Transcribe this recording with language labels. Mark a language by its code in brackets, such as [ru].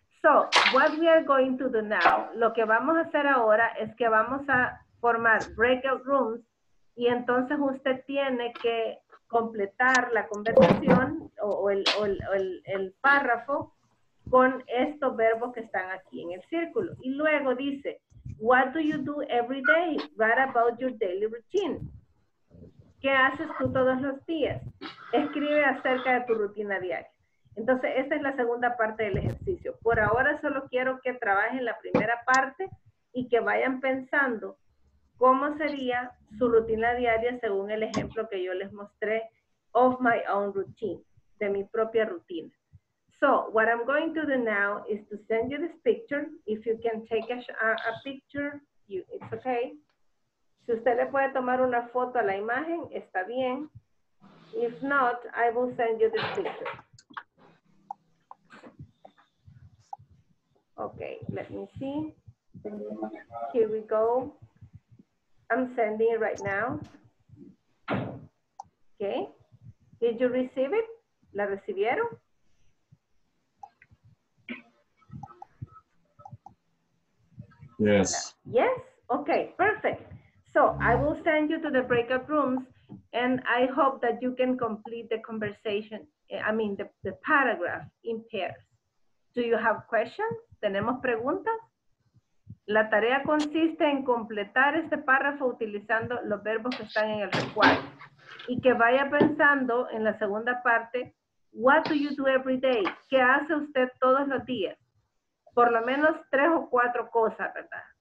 [en] So, what we are going to do now, [es] lo que vamos a hacer ahora es que vamos a formar breakout rooms y entonces usted tiene que completar la conversación o el párrafo con estos verbos que están aquí en el círculo. Y luego dice, [en] what do you do every day? What about your daily routine? [es] ¿Qué haces tú todos los días? Escribe acerca de tu rutina diaria. Entonces, esta es la segunda parte del ejercicio. Por ahora solo quiero que trabajen la primera parte y que vayan pensando cómo sería su rutina diaria según el ejemplo que yo les mostré [en] of my own routine, [es] de mi propia rutina. [en] So, what I'm going to do now is to send you this picture. If you can take a picture, it's okay. [es] Si usted le puede tomar una foto a la imagen, está bien. [en] If not, I will send you this picture. Okay, let me see. Here we go. I'm sending it right now. Okay. Did you receive it? [es] ¿La recibieron? [en] Yes. Yes? Okay, perfect. So I will send you to the breakout rooms and I hope that you can complete the conversation, I mean the paragraph in pairs. Do you have questions? [es] ¿Tenemos preguntas? La tarea consiste en completar este párrafo utilizando los verbos que están en el recuadro. Y que vaya pensando en la segunda parte, [en] what do you do every day? [es] ¿Qué hace usted todos los días? Por lo menos 3 o 4 cosas, ¿verdad?